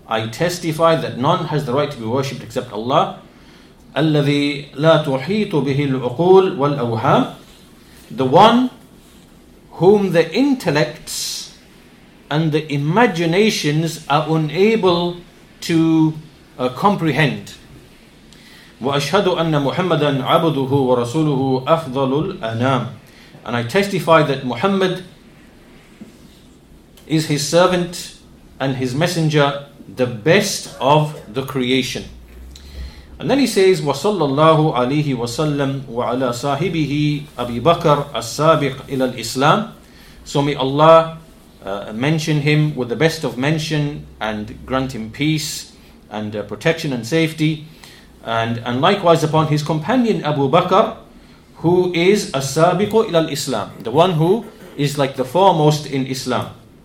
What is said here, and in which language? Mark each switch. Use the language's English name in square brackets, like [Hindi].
[English] I testify that none has the right to be worshipped except Allah. [Arabic] الَّذِي لَا تُحِيطُ بِهِ الْعُقُولِ وَالْأَوْهَامِ. [English] The one whom the intellects and the imaginations are unable to comprehend. [Arabic] وأشهد أن محمدا عبده ورسوله أفضل الأنام. [English] And I testify that Muhammad is his servant and his messenger, the best of the creation. And then he says, [Arabic] وصلى الله عليه وسلم وعلى صاحبه أبي بكر السابق إلى الإسلام. [English] So may Allah mention him with the best of mention and grant him peace and protection and safety. And likewise upon his companion Abu Bakr, who is as-sabiqu ila al-Islam, the one who is like the foremost in Islam.